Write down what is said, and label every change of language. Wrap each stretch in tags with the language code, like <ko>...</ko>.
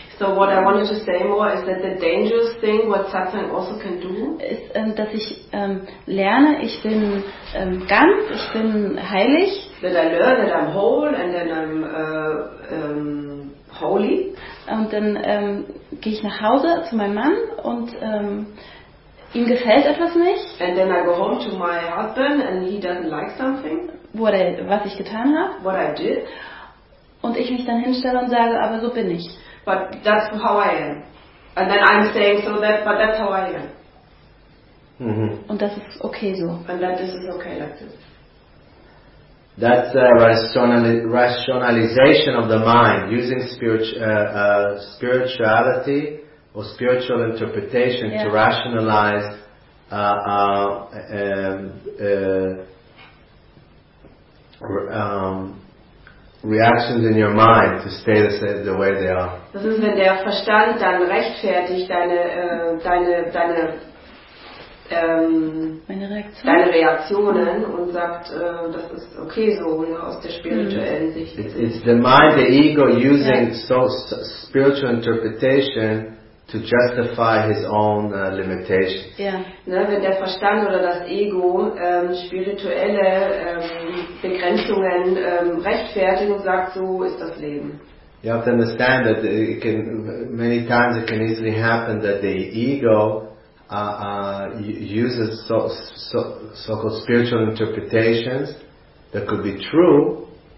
<en>So what I wanted to say more is that the dangerous thing, what Satsang also can do,</en> <de>ist, dass ich lerne, ich bin ganz, ich bin heilig.</de> <en>That I learn that I'm whole and then I'm holy.</en> <de>Und dann gehe ich nach Hause zu meinem Mann und ihm gefällt etwas nicht.</de> <en>And then I go home to my husband and he doesn't like something.</en> <de>Was ich getan habe.</de> <en>What I did.</en> <de>Und ich mich dann hinstelle und sage, aber so bin ich.</de> <en>But that's how I am. And then I'm saying so that, but that's how I am. Mm-hmm.</en> <de>Und das ist okay so.</de> <en>And that this is okay like this. That's a rationalization of the mind using spirituality. Or spiritual interpretation to rationalize reactions in your mind to stay the way they are.</en> <de>Das ist, wenn der Verstand dann rechtfertigt deine Reaktionen und sagt, das ist okay so, aus der spirituellen Sicht.</de> <en>It's the mind, the ego using so spiritual interpretation to justify his own limitations. Yeah.</en> <de>Ne, wenn der Verstand oder das Ego spirituelle Begrenzungen rechtfertigt und sagt, so ist das Leben.</de> <en>You have to understand that many times it can easily happen that the ego uses so-called spiritual interpretations that could be true,</en>